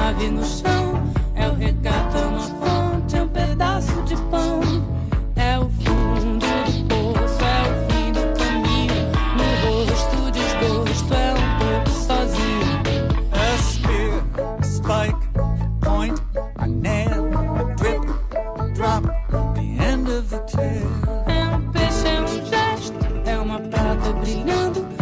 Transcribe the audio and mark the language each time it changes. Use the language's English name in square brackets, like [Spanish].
[Portuguese] No chão, é o regato, é uma fonte, é um pedaço de pão. É o fundo do poço, é o fim do caminho. No rosto, desgosto, é um pouco sozinho. [English] A spear, a spike, a point, a nail, a drip, a drop, the end of the tail. [Portuguese] É um peixe, é um gesto, é uma prata brilhando.